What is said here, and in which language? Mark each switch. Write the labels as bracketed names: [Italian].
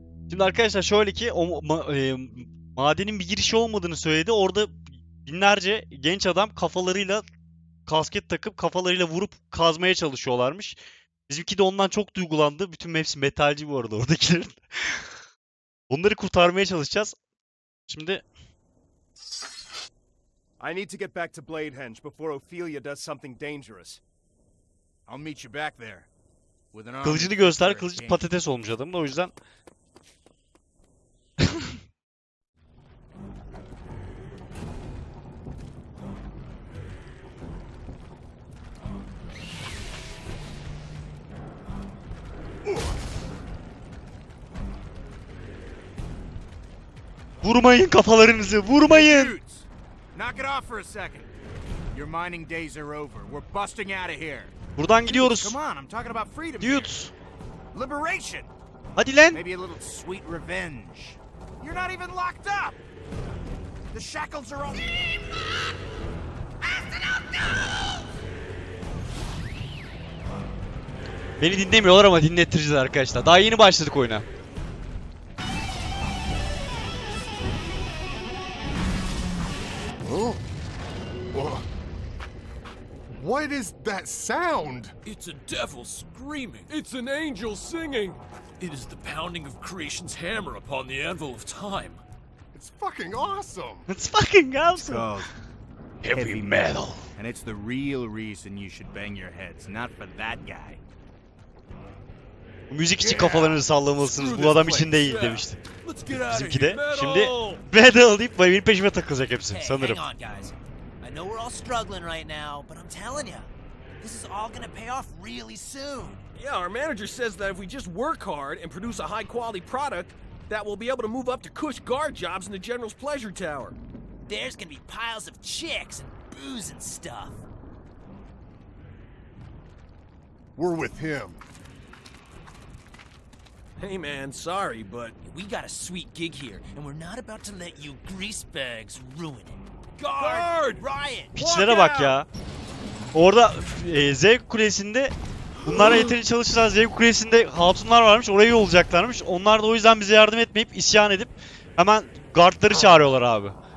[Turkish] Şimdi arkadaşlar şöyle ki Madenin bir girişi olmadığını söyledi. Orada binlerce genç adam kafalarıyla kasket takıp kafalarıyla vurup kazmaya çalışıyorlarmış. Bizimki de ondan çok duygulandı. Bütün hepsi metalci bu arada oradakilerin. Onları kurtarmaya çalışacağız. Şimdi [English] I need to get back to Bladehenge before Ophelia does something dangerous. I'll meet you back there. With an army. [Turkish] Kılıcını göster, kılıç patates olmuş adamın, o yüzden. Vurmayın kafalarınızı, vurmayın! [English] Knock it off for a second. Your mining days are over. We're busting out of here. [Turkish] Buradan gidiyoruz. [English] Come on, I'm talking about freedom. Dude. Liberation. [Turkish] Hadi lan. [English] Maybe a little sweet revenge. You're not even locked up. The shackles are on. [Turkish] Beni dinlemiyorlar ama dinlettireceğiz arkadaşlar. Daha yeni başladık oyuna. [English] What is that sound? It's a devil screaming. It's an angel singing. It is the pounding of creation's hammer upon the anvil of time. It's fucking awesome. It's fucking awesome. It's called heavy metal. And it's the real reason you should bang your heads, not for that guy. [Turkish] Bu müzik için kafalarınızı sallamalısınız. Bu adam için değil demişti. Bizimki de şimdi metal deyip benim peşime takılacak hepsi sanırım. [English] I know we're all struggling right now, but I'm telling you, this is all gonna pay off really soon. Yeah, our manager says that if we just work hard and produce a high quality product, that we'll be able to move up to cush guard jobs in the General's Pleasure Tower. There's gonna be piles of chicks and booze and stuff. We're with him. Hey man, sorry, but we got a sweet gig here, and we're not about to let you grease bags ruin it. Guard! [Turkish] Piçlere bak ya. Orada Zevk Kulesi'nde bunlara yeterince çalışırsan Zevk Kulesi'nde hatunlar varmış, orayı olacaklarmış. Onlar da o yüzden bize yardım etmeyip isyan edip hemen guardları çağırıyorlar abi.